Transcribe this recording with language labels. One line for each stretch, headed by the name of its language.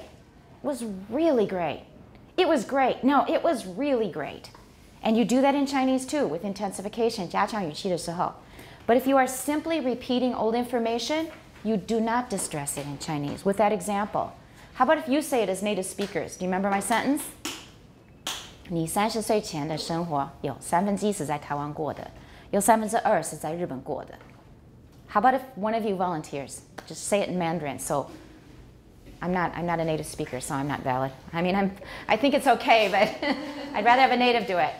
English: It was really great. It was great. No, it was really great. And you do that in Chinese too, with intensification.
Chinese: 加强语气的时候.
English: But if you are simply repeating old information, you do not distress it in Chinese. With that example, how about if you say it as native speakers? Do you remember my sentence?
Chinese: 你30岁前的生活有1/3是在台湾过的，有1/2是在日本过的.
English: How about if one of you volunteers? Just say it in Mandarin. So I'm not a native speaker, so I'm not valid. I mean, I think it's okay, but I'd rather have a native do it.